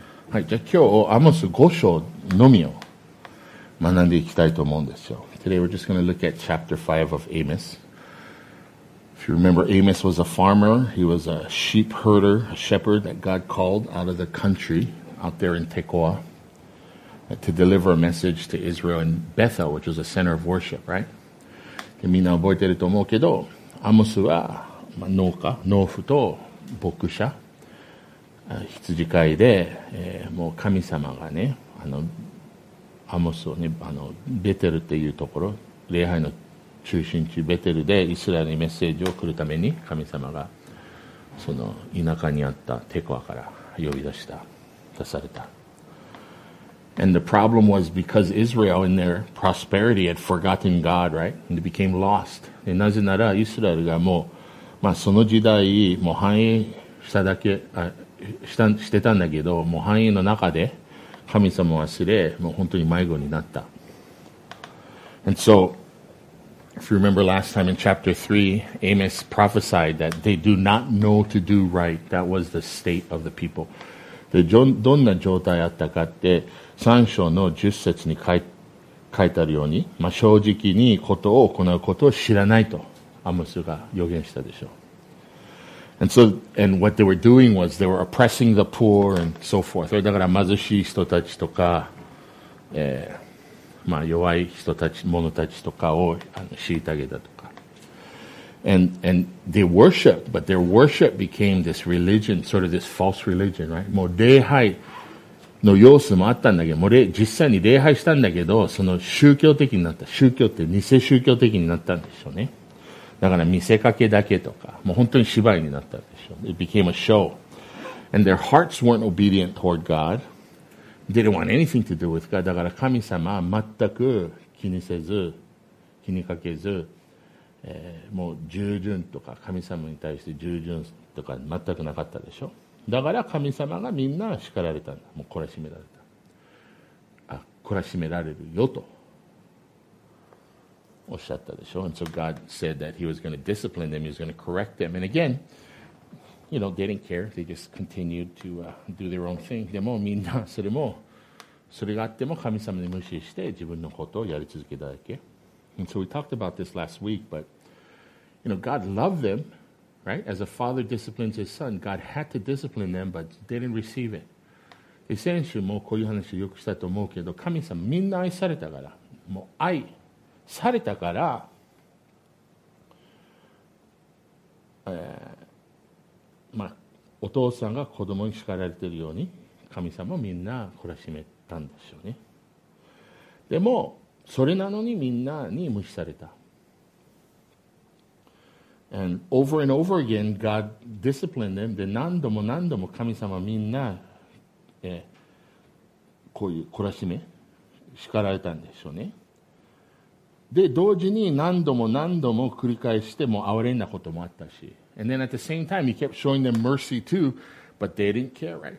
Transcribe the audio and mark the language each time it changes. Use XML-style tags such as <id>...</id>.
<ja>はい、じゃあ今日アモス5章のみを学んでいきたいと思うんですよ。</ja> <en>Today we're just going to look at chapter 5 of Amos. If you remember, Amos was a farmer. He was a sheep herder, a shepherd that God called out of the country out there in Tekoa to deliver a message to Israel in Bethel, which was a center of worship, right?</en> <ja>でみんな覚えてると思うけど、アモスは農家、農夫と牧者、羊飼いで、もう神様がね、あのアモスをね、あのベテルっていうところ、礼拝の中心地ベテルでイスラエルにメッセージを送るために神様がその田舎にあったテコアから呼び出した、出された。</ja> <en>And the problem was because Israel in their prosperity had forgotten God, right? And they became lost.</en> <ja>で、なぜならイスラエルがもう、まあ、その時代もう繁栄しただけ、してたんだけど、もう繁栄の中で神様を忘れ、もう本当に迷子になった。</ja> <en>And so, if you remember last time in chapter 3, Amos prophesied that they do not know to do right. That was the state of the people.</en> <ja>で、どんな状態あったかって、3章の10節に書いてあるように、まあ、正直にことを行うことを知らないと、アモスが予言したでしょう。</ja> <en>And so, and what they were doing was they were oppressing the poor and so forth.</en> <ja>だから貧しい人たちとか、まあ弱い人たち、者たちとかを虐げたとか。</ja> <en>And they worshiped, but their worship became this religion, sort of this false religion, right?</en> <ja>もう礼拝の様子もあったんだけど、もう実際に礼拝したんだけど、その宗教的になった。宗教って偽宗教的になったんでしょうね。だから見せかけだけとか、もう本当に芝居になったでしょ。</ja> <en>It became a show. And their hearts weren't obedient toward God. They didn't want anything to do with God.</en> <ja>だから神様は全く気にせず、気にかけず、もう従順とか、神様に対して従順とか全くなかったでしょ。だから神様がみんな叱られたんだ。もう懲らしめられた。あ、懲らしめられるよと。おっしゃったでしょ。</ja> <en>And so God said that he was going to discipline them, he was going to correct them. And again, you know, they didn't care. They just continued to do their own thing.</en> <ja>でもみんなそれがあっても神様に無視して自分のことをやり続けただけ。</ja> <en>And so we talked about this last week, but, you know, God loved them, right? As a father disciplines his son, God had to discipline them, but they didn't receive it.</en> <ja>で先週もこういう話をよくしたと思うけど、神様みんな愛されたから、もう愛されたから、まあ、お父さんが子供に叱られているように神様もみんな懲らしめたんでしょうね。でもそれなのにみんなに無視された。</ja> <en>And over and over again God disciplined them.</en> <ja>で何度も何度も神様みんな、こういう懲らしめ叱られたんでしょうね。で同時に何度も何度も繰り返しても哀れんなこともあったし、</ja> <en>and then at the same time he kept showing them mercy too, but they didn't care, right?</en>